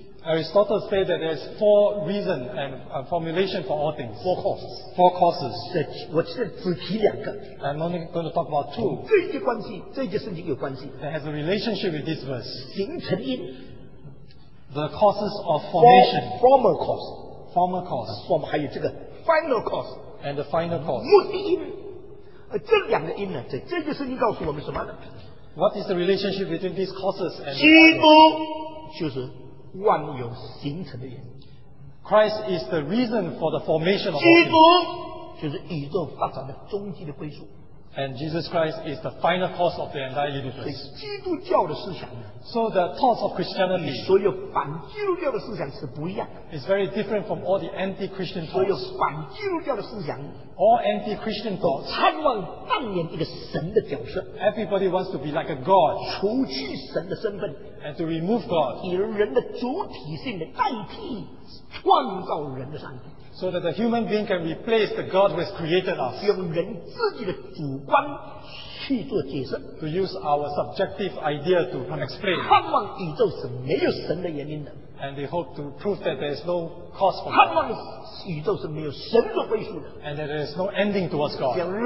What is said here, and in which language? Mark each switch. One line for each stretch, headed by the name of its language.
English: Aristotle said that there's four reasons and a formulation for all things. Four causes. Four causes.
Chinese: 我现在只提两个。
English: I'm only going to talk about two.
Chinese: 这一节关系，这一节圣经有关系。
English: That has a relationship with this verse.
Chinese: 形成因。
English: The causes of formation. Former cause. Former cause. Former, 还有这个 final cause. And the final cause.
Chinese: 目的因。这两个因呢，这就是你告诉我们什么呢？
English: What is the relationship between these causes and
Chinese: 基督就是万有形成的原因。
English: Christ is the reason for the formation of
Chinese: 基督就是宇宙发展的终极的归宿。
English: And Jesus Christ is the final cause of the entire universe.
Chinese: 所以基督教的思想呢,
English: so the thoughts of Christianity,
Chinese: 所有反基督教的思想是不一样的。
English: It's very different from all the anti-Christian thoughts.
Chinese: 所有反基督教的思想,
English: all anti-Christian thoughts,
Chinese: 都盼望扮演一个神的角色。
English: Everybody wants to be like a God,
Chinese: 除去神的身份,
English: and to remove God,
Chinese: 以人的主体性的代替创造人的上帝。
English: So that the human being can replace the God who has created us.
Chinese: 用人自己的主观去做解释,
English: to use our subjective idea to explain.
Chinese: 盼望宇宙是没有神的原因的,
English: and they hope to prove that there is no cause for God. And that there is no ending towards God.